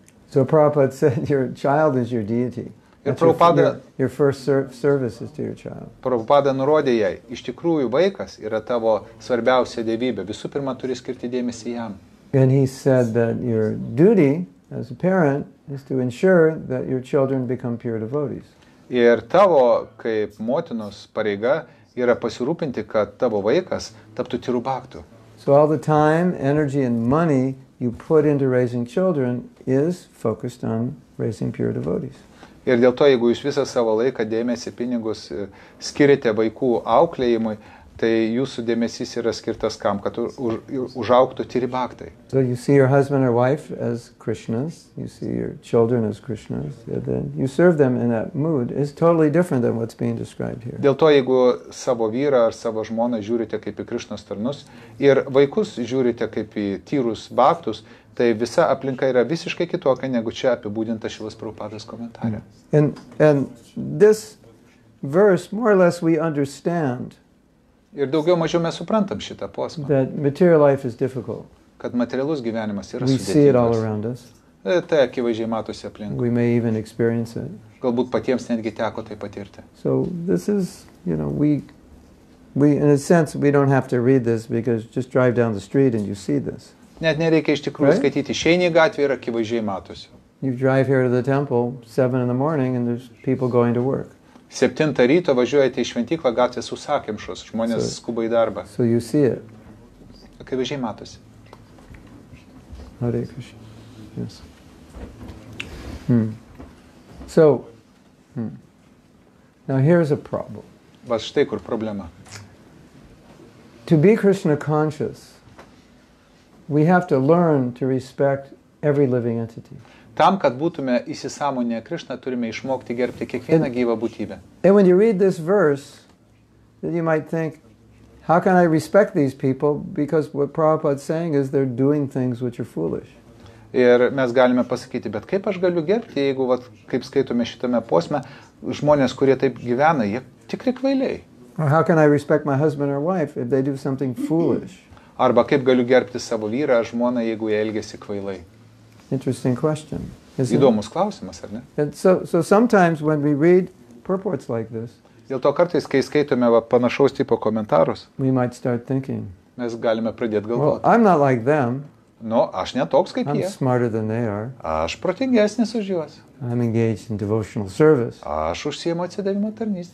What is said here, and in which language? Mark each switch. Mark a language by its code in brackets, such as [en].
[en] So Prabhupada said, your child is your deity. Your first service is to your child. [lt] Prabhupada nurodė jai, iš tikrųjų vaikas yra tavo svarbiausia dievybė. Visų pirma, turi skirti dėmesį jam. [en] And he said that your duty as a parent is to ensure that your children become pure devotees. [lt] Ir tavo kaip motinos pareiga yra pasirūpinti, kad tavo vaikas taptų tyrų bhaktu. [en] So all the time, energy and money you put into raising children is focused on raising pure devotees. [lt] Ir dėl to, jeigu jūs visą savo laiką dėmesį pinigus skiriate vaikų auklėjimui, tai jūsų dėmesys yra skirtas kam, kad užauktų tyri bhaktai. [en] So you see your husband or wife as Krishnas, you see your children as Krishnas, and then you serve them in that mood is totally different than what's being described here. [lt] Dėl to, jeigu savo vyrą ar savo žmoną žiūrite kaip į Krishnas tarnus ir vaikus žiūrite kaip į tyrus bhaktus, tai visa aplinka yra visiškai kitokia negu čia apibūdinta Šrilas Prabhupadas komentare. [en] And this verse more or less we understand. [lt] Ir daugiau mažiau mes suprantam šitą posmą. [en] That material life is difficult. [lt] Kad materialus gyvenimas yra sudėtingas. [en] We see it all around us. [lt] Tai akivaizdžiai matosi aplinkui. [en] We may even experience it. [lt] Galbūt patiems netgi teko tai patirti. [en] So this is, you know, we in a sense we don't have to read this because just drive down the street and you see this. [lt] Net nereikia iš tikrųjų skaityti. Išeini į gatvę ir akivaizdžiai matosi. [en] You drive here to the temple 7 in the morning and there's people going to work. [lt] 7 ryto važiuojate į šventyklą, gatvės užsakymšos, žmonės skuba į darbą. [en] So you see it. [lt] Akivaizdžiai matosi. [en] Hare Krishna. Yes. Hmm. So, now here's a problem. [lt] Va štai kur problema. [en] To be Krishna conscious, we have to learn to respect every living entity. [lt] Tam, kad būtume įsisąmonę Krishna, turime išmokti gerbti kiekvieną gyvą būtybę. [en] And when you read this verse, then you might think, how can I respect these people? Because what Prabhupada is saying is they're doing things which are foolish. [lt] Ir mes galime pasakyti, bet kaip aš galiu gerbti, jeigu, vat, kaip skaitome šitame posme, žmonės, kurie taip gyvena, jie tikri kvailiai. [en] Or how can I respect my husband or wife if they do something foolish? [lt] Arba kaip galiu gerbti savo vyrą ar žmoną, jeigu jie elgiasi kvailai? [en] Interesting question. [lt] Įdomus klausimas, ar ne? [en] And so sometimes when we read purports like this, [lt] dėl to kartais, kai skaitome va, panašaus tipo komentarus, [en] we might start thinking, [lt] mes galime pradėti galvoti. [en] Well, I'm not like them. [lt] No, aš ne toks kaip [en] I'm [lt] jie. [en] I'm smarter than they are. [lt] Aš protingesnis už juos. [en] I'm engaged in devotional service. [lt] Aš užsiimu atsidavimo tarnystę.